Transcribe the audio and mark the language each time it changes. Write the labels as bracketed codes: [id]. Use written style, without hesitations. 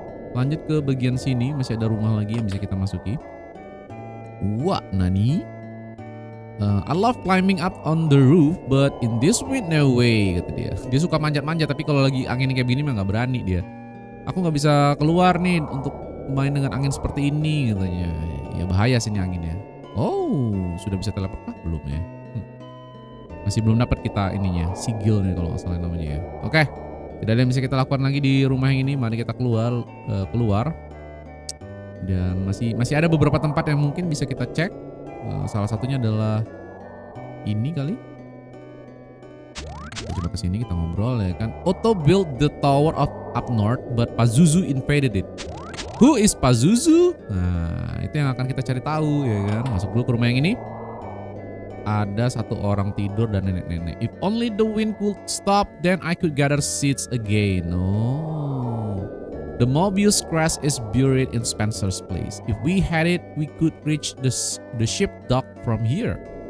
[id] Lanjut ke bagian sini, masih ada rumah lagi yang bisa kita masuki. Wah, nani. [en] I love climbing up on the roof but in this wind no way [id] kata dia. Dia suka manjat-manjat tapi kalau lagi angin kayak gini mah enggak berani dia. Aku enggak bisa keluar nih untuk main dengan angin seperti ini katanya. Ya bahaya sih ini anginnya. Sudah bisa teleport kah? Belum ya. Masih belum dapat kita ininya, sigil nih kalau nggak salah namanya ya. Oke, tidak ada yang bisa kita lakukan lagi di rumah yang ini. Mari kita keluar dan masih ada beberapa tempat yang mungkin bisa kita cek. Salah satunya adalah ini kali. Kita coba kesini, kita ngobrol ya kan. [en] Otto built the tower of up north, but Pazuzu invaded it. Who is Pazuzu? [id] Nah, itu yang akan kita cari tahu ya kan. Masuk dulu ke rumah yang ini. Ada satu orang tidur dan nenek-nenek. [en] If only the wind could stop, then I could gather seeds again. Oh. The Mobius crest is buried in Spencer's place. If we had it, we could reach the ship dock from here.